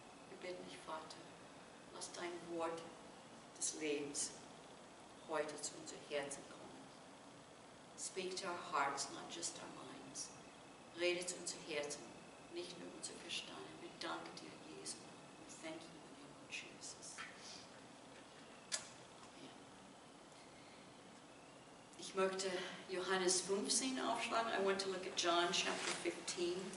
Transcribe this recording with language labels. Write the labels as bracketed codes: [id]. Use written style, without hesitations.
[de] Wir bitten dich, Vater, lass dein Wort des Lebens heute zu unseren Herzen kommen. [en] Speak to our hearts, not just our minds. [de] Rede zu unseren Herzen, nicht nur unser Verstand. Wir danken dir, Jesus. [en] We thank you in the name of Jesus. [de] Amen. Ich möchte Johannes 15 aufschlagen. [en] I want to look at John chapter 15.